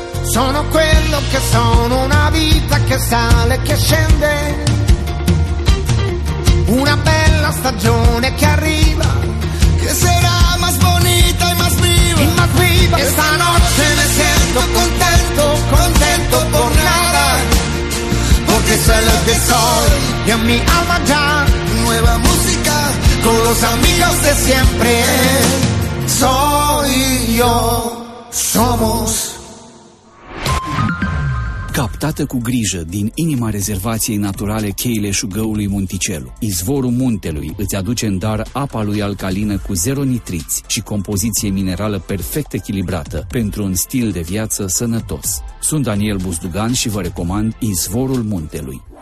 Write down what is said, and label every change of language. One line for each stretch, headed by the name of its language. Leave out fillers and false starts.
Italian: Sono quello che sono, una vita che sale, che scende, una bella stagione che arriva, che sarà más bonita e más viva, e más viva. E stanotte
Spanish: me siento contento, contento por nada, porque soy lo que soy, e mi alma già, nueva música, con los amigos de siempre, soy yo, somos.
Romanian: captată cu grijă din inima rezervației naturale Cheile Șugăului Munticelu. Izvorul muntelui îți aduce în dar apa lui alcalină cu zero nitriți și compoziție minerală perfect echilibrată pentru un stil de viață sănătos. Sunt Daniel Buzdugan și vă recomand Izvorul muntelui.